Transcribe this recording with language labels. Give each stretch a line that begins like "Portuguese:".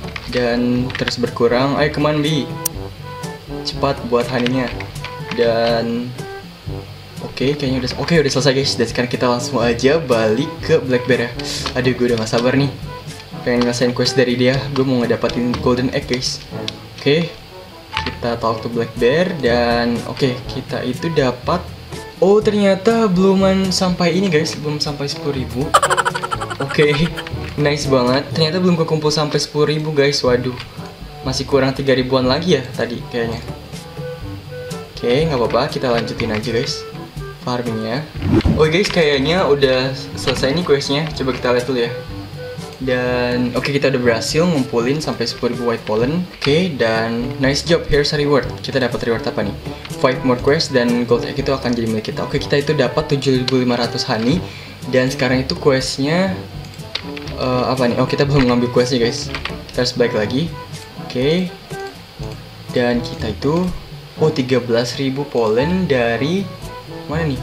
Indonesian: Dan terus berkurang. Ayo
English: come on bee,
Indonesian: cepat buat honeynya. Dan Oke, kayaknya udah oke, udah selesai guys. Dan sekarang kita langsung aja balik ke Blackbear ya. Aduh, gue udah gak sabar nih. Pengen ngasain quest dari dia. Gue mau ngedapatin golden egg guys. Oke, kita talk to Blackbear. Dan oke, kita itu dapat. Oh, ternyata belum sampai ini guys. Belum sampai 10.000. Oke, nice banget. Ternyata belum kekumpul sampai 10.000 guys. Waduh, masih kurang 3.000-an lagi ya tadi kayaknya. Oke, gak apa-apa, kita lanjutin aja guys farmingnya. Oke guys, kayaknya udah selesai nih questnya. Coba kita lihat dulu ya. Dan oke, kita udah berhasil ngumpulin sampai 10.000 white pollen.
English: Oke,
Indonesian: dan
English: nice job, here's a reward.
Indonesian: Kita dapat reward apa nih? 5 more quests dan gold egg itu akan jadi milik kita. Oke, kita itu dapat 7.500 honey. Dan sekarang itu questnya apa nih? Oh, kita belum ngambil questnya guys. Kita harus balik lagi. Oke. Dan kita itu 13.000 pollen dari mana nih?